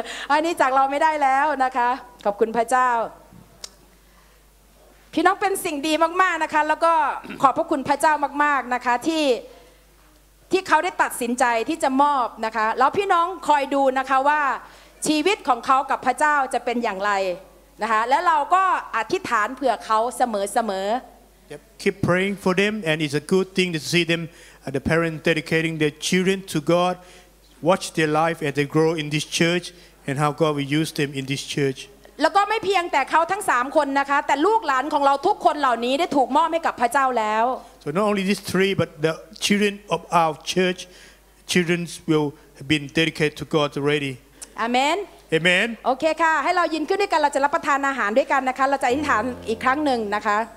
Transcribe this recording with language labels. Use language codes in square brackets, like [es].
[th] อันนี้จากเราไม่ได้แล้วนะคะขอบคุณพระเจ้าพี่น้องเป็นสิ่งดีมากๆนะคะแล้วก็ขอบพระคุณพระเจ้ามากๆนะคะที่เขาได้ตัดสินใจที่จะมอบนะคะแล้วพี่น้องคอยดูนะคะว่าชีวิตของเขากับพระเจ้าจะเป็นอย่างไรนะคะและเราก็อธิษฐานเผื่อเขาเสมอๆ [en] Yep. Keep praying for them and it's a good thing to see them the parents dedicating their children to God watch their life as they grow in this church and how God will use them in this church [th] แล้วก็ไม่เพียงแต่เขาทั้ง3คนนะคะแต่ลูกหลานของเราทุกคนเหล่านี้ได้ถูกมอบให้กับพระเจ้าแล้ว [en] So not only these three but the children of our church children will have been dedicated to God already Amen Amen [th] โอเคค่ะให้เรายืนขึ้นด้วยกันเราจะรับประทานอาหารด้วยกันนะคะเราจะอธิษฐานอีกครั้งนึงนะคะ